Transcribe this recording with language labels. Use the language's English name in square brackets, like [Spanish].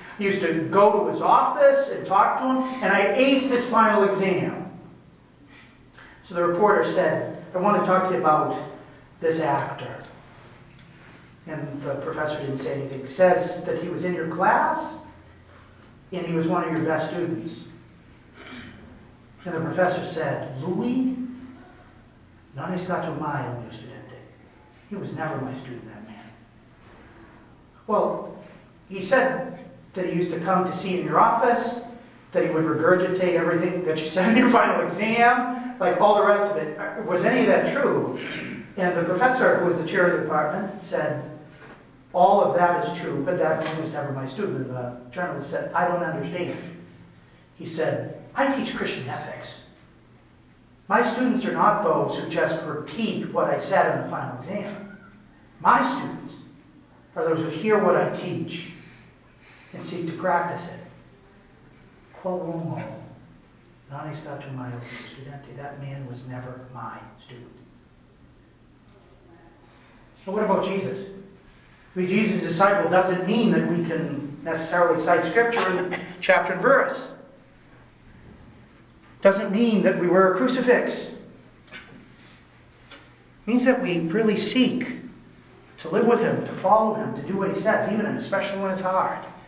[English] I used to go to his office and talk to him, and I aced his final exam. So the reporter said, I want to talk to you about this actor. And the professor didn't say anything. He says that he was in your class, and he was one of your best students. And the professor said, Louis, [Italian] non è stato mai un mio studente. [English] He was never my student then. Well, he said that he used to come to see you in your office, that he would regurgitate everything that you said in your final exam, like all the rest of it. Was any of that true? And the professor, who was the chair of the department, said, all of that is true, but that man was never my student. The journalist said, I don't understand. He said, I teach Christian ethics. My students are not those who just repeat what I said in the final exam. My students are those who hear what I teach and seek to practice it. [Italian] Quo uomo, non è stato mai un studente. [English] That man was never my student. So what about Jesus? To be Jesus' disciple doesn't mean that we can necessarily cite scripture in chapter and verse. Doesn't mean that we wear a crucifix. It means that we really seek to live with Him, to follow Him, to do what He says, even and especially when it's hard.